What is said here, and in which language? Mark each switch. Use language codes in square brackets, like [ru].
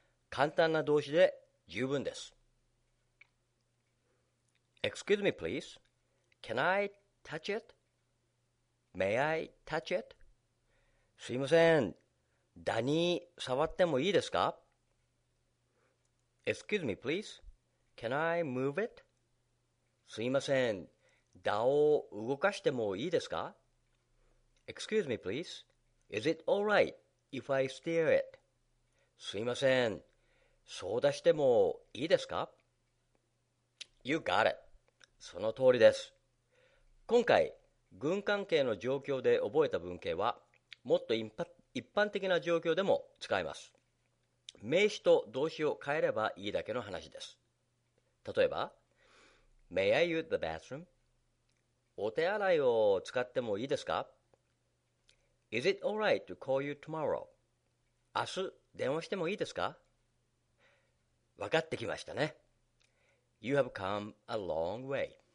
[ja] 簡単な動詞で十分です。 [en] Excuse me, please. Can I touch it? May I touch it? [ja] すいません。ダニ触ってもいいですか? [en] Excuse me, please. Can I move it? [ja] すいません。 DAO を動かしてもいいですか? [en] Excuse me, please. Is it all right if I steer it? [ja] すいません。操舵してもいいですか? [en] You got it. [ja] その通りです。今回、軍関係の状況で覚えた文型は、もっと一般的な状況でも使えます。名詞と動詞を変えればいいだけの話です。例えば、 [en] May I use the bathroom? [ja] お手洗いを使ってもいいですか? [en] Is it alright to call you tomorrow? [ja] 明日電話してもいいですか? わかってきましたね。 [en] You have come a long way.